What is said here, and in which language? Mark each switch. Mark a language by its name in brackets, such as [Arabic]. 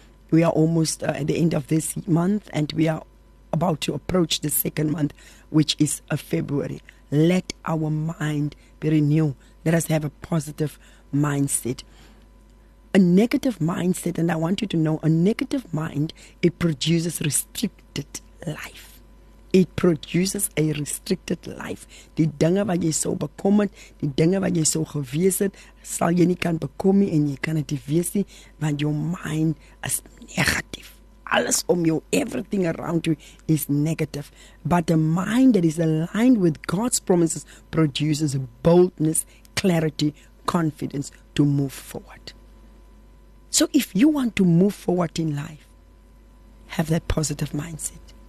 [English] We are almost at the end of this month and we are about to approach the second month, which is February. Let our mind be renewed. Let us have a positive mindset. A negative mindset, and I want you to know, a negative mind, it produces restricted life. It produces a restricted life. [Afrikaans] Die dinge wat jy sou bekom het, die dinge wat jy sou gewees het, sal jy nie kan bekom nie en jy kan dit nie wees nie, want [English] your mind is [Afrikaans] negatief. Alles om jou, [English] everything around you is negative. But the mind that is aligned with God's promises produces boldness, clarity, confidence to move forward. So if you want to move forward in life, have that positive mindset.